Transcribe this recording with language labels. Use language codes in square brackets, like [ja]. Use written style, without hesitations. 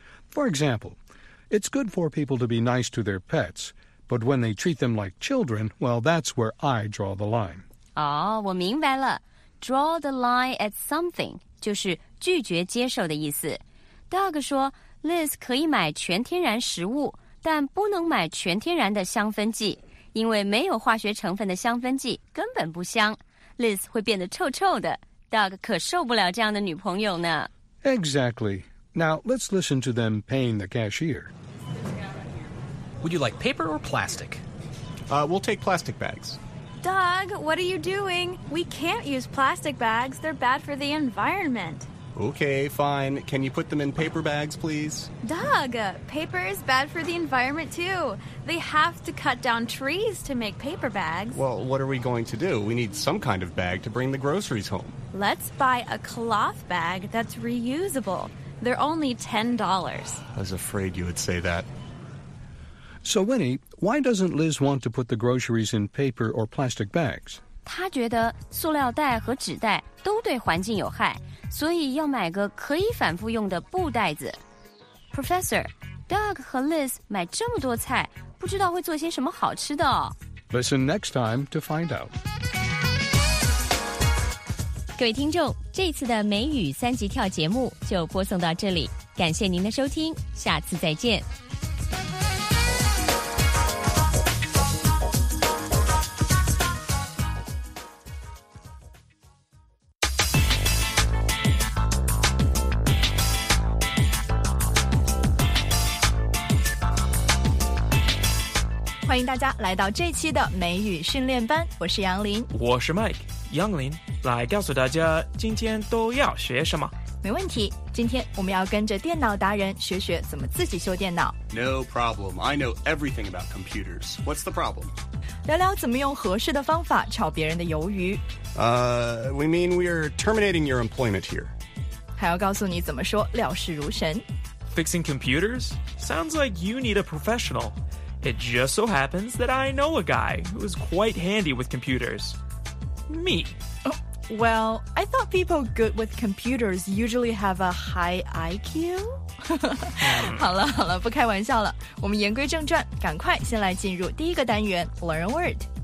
[en] For example, it's good for people to be nice to their pets, but when they treat them like children, well, that's where I draw the line. [zh] 哦、oh, 我明白了。 Draw the line at something, 就是拒绝接受的意思。 Doug 说 ,Liz 可以买全天然食物,但不能买全天然的香氛剂,因为没有化学成分的香氛剂根本不香。 Liz 会变得臭臭的。Doug 可受不了这样的女朋友呢。 [en] Exactly. Now, let's listen to them paying the cashier. Would you like paper or plastic? We'll take plastic bags. Doug, what are you doing? We can't use plastic bags. They're bad for the environment. Okay, fine. Can you put them in paper bags, please? Doug, paper is bad for the environment, too. They have to cut down trees to make paper bags. Well, what are we going to do? We need some kind of bag to bring the groceries home. Let's buy a cloth bag that's reusable. They're only $10. I was afraid you would say that. So, Winnie, why doesn't Liz want to put the groceries in paper or plastic bags? [zh] 她觉得塑料袋和纸袋都对环境有害，所以要买个可以反复用的布袋子。 Professor, Doug 和 Liz 买这么多菜，不知道会做些什么好吃的哦。 Listen next time to find out. 各位听众，这次的美语三级跳节目就播送到这里，感谢您的收听，下次再见。欢迎大家来到这期的美语训练班，我是杨林，我是 Mike， 杨林来告诉大家今天都要学什么。没问题，今天我们要跟着电脑达人学学怎么自己修电脑。 [en] No problem, I know everything about computers. What's the problem? [zh] 聊聊怎么用合适的方法炒别人的鱿鱼。 [en] We mean we are terminating your employment here. [zh] 还要告诉你怎么说了事如神。 [en] Fixing computers? Sounds like you need a professional. It just so happens that I know a guy who is quite handy with computers. Me. Oh, well, I thought people good with computers usually have a high IQ. [zh] 好了好了，不开玩笑了。我们言归正传，赶快先来进入第一个单元 Learn a Word.